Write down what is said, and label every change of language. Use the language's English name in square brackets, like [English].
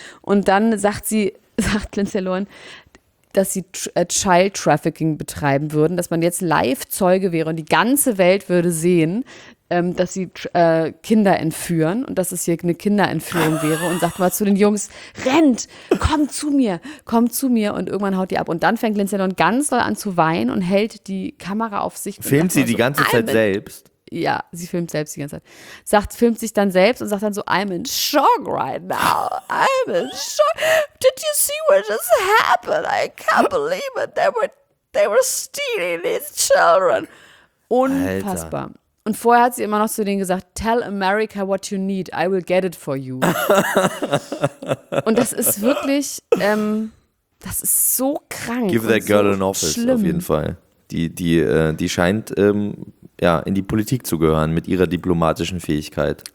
[German] Und dann sagt Lindsay Lohan, dass sie Child Trafficking betreiben würden, dass man jetzt live Zeuge wäre und die ganze Welt würde sehen, dass sie Kinder entführen und dass es hier eine Kinderentführung wäre und sagt mal zu den Jungs, rennt, kommt zu mir und irgendwann haut die ab. Und dann fängt Lindsay Lohan ganz doll an zu weinen und hält die Kamera auf sich. Filmt sie die ganze Zeit selbst? Ja, sie filmt selbst die ganze Zeit. Filmt sich dann selbst und sagt dann so, [English] I'm in shock right now. I'm in shock. Did you see what just happened? I can't believe it. They were stealing these children. [German] Unfassbar. Alter. Und vorher hat sie immer noch zu denen gesagt, [English] tell America what you need. I will get it for you. [German] Und das ist wirklich, das ist so krank. [English] Give that girl [German] so [English] an office, [German] schlimm. Auf jeden Fall. Die scheint ja, in die Politik zu gehören mit ihrer diplomatischen Fähigkeit.